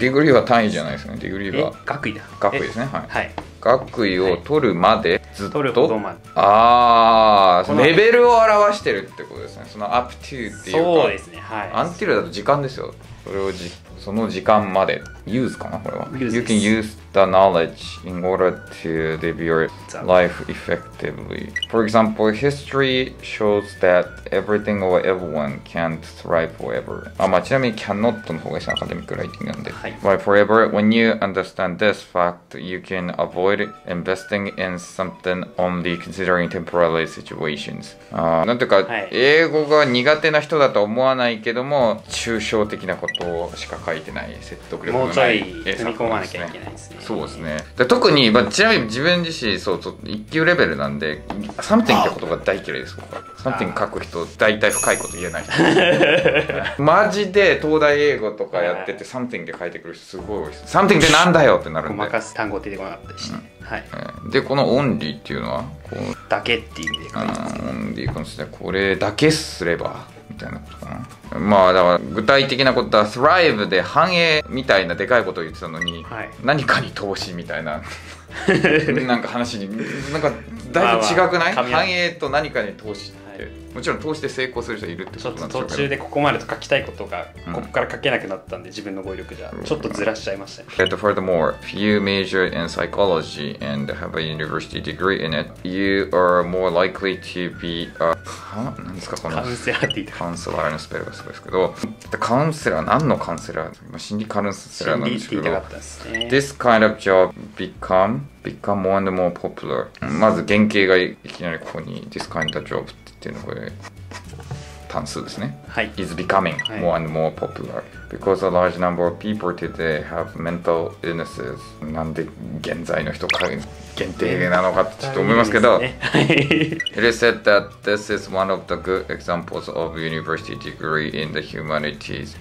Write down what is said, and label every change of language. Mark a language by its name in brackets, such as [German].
[Japanese] ディグリーは単位じゃないですかね。ディグリーは学位だ。学位ですね、はい、はい、学位を取るまで、はい、ずっと取るほどまで、あ、レベルを表してるってことですね。そのアップトゥーっていうか、そうですね、はい、アンティルだと時間ですよ。それをその時間まで、use かな、これは。 [English] You can use the knowledge in order to live your life effectively. For example, history shows that everything or everyone can't thrive forever. [Japanese] あ、まあ、ちなみに cannot の方がアカデミックライティングなんで。はい、 [English] But forever, when you understand this fact, you can avoid investing in something only considering temporary situations. [Japanese] なんていうか、はい、英語が苦手な人だとは思わないけども、抽象的なことをしか書いてない、説得力もない、もうちょい踏み込まなきゃいけないですね。そうですね。で、特に、まあ、ちなみに自分自身、そう、一級レベルなんで、サムティングって言葉大嫌いです。サムティング書く人、大体深いこと言えない人。マジで東大英語とかやってて、サムティングで書いてくる人すごい多いです。サムティングってなんだよってなるんで。ごまかす単語出てこなかったし、ね、うん、はい。で、このオンリーっていうのはこうだけっていう意味で書いてます。オンリー、この人はこれだけすれば、みたいなことかな。まあだから具体的なことは Thrive で繁栄みたいなでかいことを言ってたのに、はい、何かに投資みたいななんか話になんかだいぶ違くない、まあまあ、繁栄と何かに投資っって、はい、もちろん投資で成功する人はいるってことなんでしょうけど、ちょっと途中でここまでと書きたいことがここから書けなくなったんで、うん、自分の語彙力じゃちょっとずらしちゃいましたね。 [English] Furthermore, if you major in psychology and have a university degree in it, you are more likely to be a... [Japanese] は?何ですかこのカウンセラーって言ったカウンセラーのスペルがすごいですけど、カウンセラー何のカウンセラー、心理カウンセラーなんですけど、心理って言いたかったんですね。 [English] This kind of job become more and more popular. [Japanese] まず原型がいきなりここに [English] This kind of job [Japanese] っていうのがこれ単数ですね、はい、 [English] is becoming more and more popular、 [Japanese] はい、 [English] because a large number of people today have mental illnesses. [Japanese] なんで現在の人か限定なのかってちょっと思いますけど、はい、 [English] It is said that this is one of the good examples of university degree in the humanities.